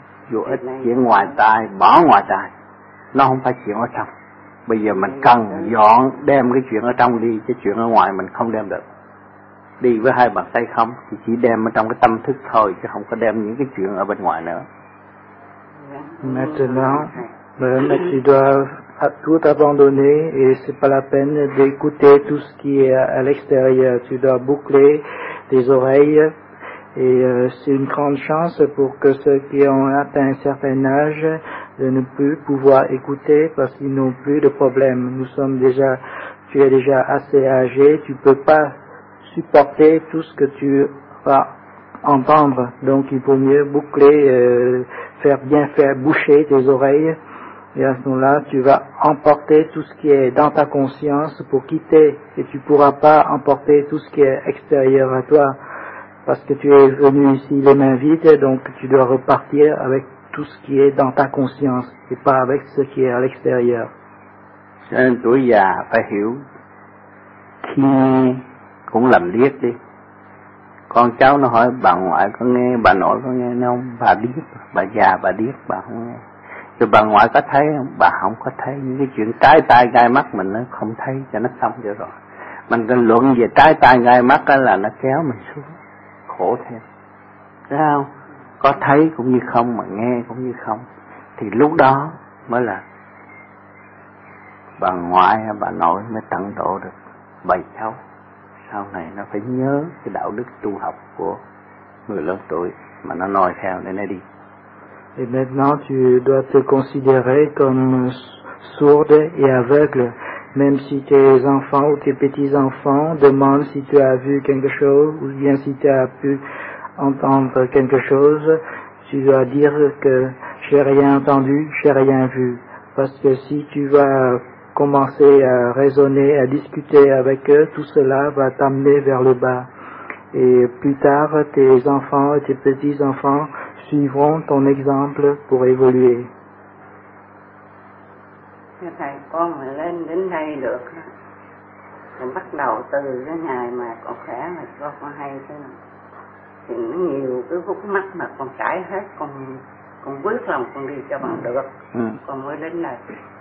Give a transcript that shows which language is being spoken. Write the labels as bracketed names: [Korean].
[Vietnamese] Dù ít chuyện ngoài tai, bỏ ngoài tai, nó không phải chuyện ở trong. Bây giờ mình cần dọn đem cái chuyện ở trong đi, chứ chuyện ở ngoài mình không đem được. Đi với hai bàn tay không, thì chỉ đem ở trong cái tâm thức thôi, chứ không có đem những cái chuyện ở bên ngoài nữa. [French] Maintenant, tu dois tout abandonner et c'est pas la peine d'écouter tout ce qui est à l'extérieur. Tu dois boucler tes oreilles et c'est une grande chance pour que ceux qui ont atteint un certain âge de ne plus pouvoir écouter parce qu'ils n'ont plus de problème. Tu es déjà assez âgé, tu peux pas supporter tout ce que tu vas entendre. Donc il vaut mieux boucler, faire boucher tes oreilles. Et à ce moment-là, tu vas emporter tout ce qui est dans ta conscience pour quitter. Et tu pourras pas emporter tout ce qui est extérieur à toi. Parce que tu es venu ici les mains vides, donc tu dois repartir avec tout ce qui est dans ta conscience et pas avec ce qui est à l'extérieur. [Vietnamese] Cho nên tuổi già phải hiểu, khi nghe cũng làm điếc đi. Con cháu nó hỏi bà ngoại có nghe, bà nội có nghe không? Bà điếc, bà già, bà điếc, bà không nghe. Rồi bà ngoại có thấy không? Bà không có thấy. Những cái chuyện trái tai gai mắt mình nó không thấy cho nó xong cho rồi. Mình cần luận về trái tai gai mắt đó là nó kéo mình xuống. Khổ thêm. Thấy không? Có thấy cũng như không mà nghe cũng như không. Thì lúc đó mới là bà ngoại hay bà nội mới tận độ được bầy cháu. Sau này nó phải nhớ cái đạo đức tu học của người lớn tuổi mà nó noi theo để nó đi. [French] Et maintenant, tu dois te considérer comme sourde et aveugle. Même si tes enfants ou tes petits-enfants demandent si tu as vu quelque chose ou bien si tu as pu entendre quelque chose, tu dois dire que j'ai rien entendu, j'ai rien vu. Parce que si tu vas commencer à raisonner, à discuter avec eux, tout cela va t'amener vers le bas. Et plus tard, tes enfants et tes petits-enfants suivront ton exemple pour évoluer. [Vietnamese] Thầy, con mà lên đến đây được, thì bắt đầu từ cái ngày mà con khỏe là cho con hay chứ. Thì nó nhiều cái khúc mắc mà con cãi hết, con quyết lòng con đi cho bằng được, con mới đến đây.